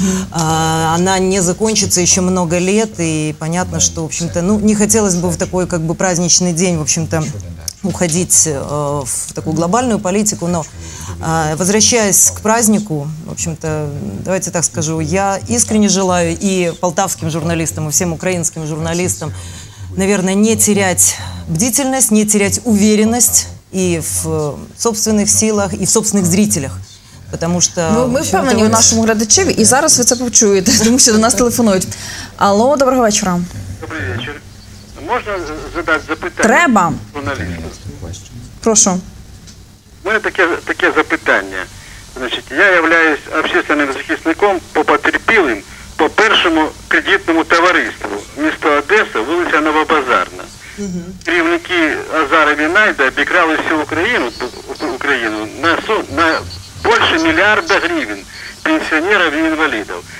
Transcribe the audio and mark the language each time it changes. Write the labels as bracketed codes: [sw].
[ru] Она не закончится еще много лет, и понятно, что, в общем-то, ну, не хотелось бы в такой, как бы, праздничный день, в общем-то, уходить в такую глобальную политику, но возвращаясь к празднику, в общем-то, давайте так скажу, я искренне желаю и полтавским журналистам, и всем украинским журналистам, наверное, не терять бдительность, не терять уверенность и в собственных силах, и в собственных зрителях. [uk] Потому що ми впевнені у нашому глядачеві, і зараз ви це почуєте, тому що до нас телефонують. Алло, доброго вечора. Добрий вечір. Можна задати запитання? Треба. Журналісту. Прошу. У мене таке запитання. Значить, я являюсь общественним захисником по потерпілим по першому кредитному товариству міста Одеса, вулиця Новобазарна. Керівники Азара Вінайда обікрали всю Україну на суд. [ru] Больше миллиарда гривен пенсионеров и инвалидов.